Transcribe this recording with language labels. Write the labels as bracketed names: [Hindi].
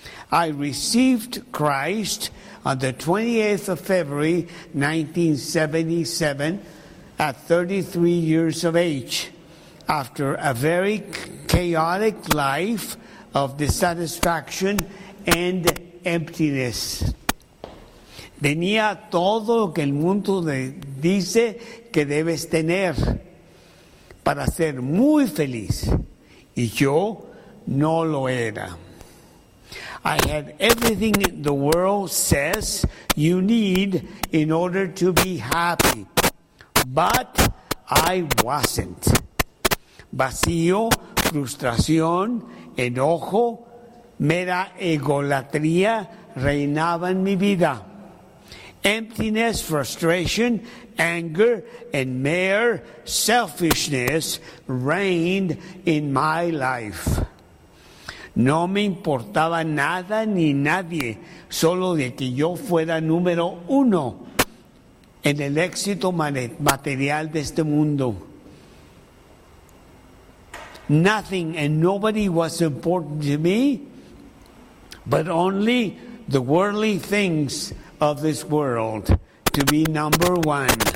[English] I received Christ on the 28th of February 1977 at 33 years of age, after a very chaotic life of dissatisfaction and emptiness. [Spanish] Tenía todo lo que el mundo dice que debes tener para ser muy feliz, y yo no lo era. [English] I had everything the world says you need in order to be happy, but I wasn't. [Spanish] Vacío, frustración, enojo, mera egolatría reinaba en mi vida. [English] emptiness, frustration, anger, and mere selfishness reigned in my life. [Spanish] No me importaba nada ni nadie, solo de que yo fuera número uno en el éxito material de este mundo. [English] Nothing and nobody was important to me, but only the worldly things of this world to be number one.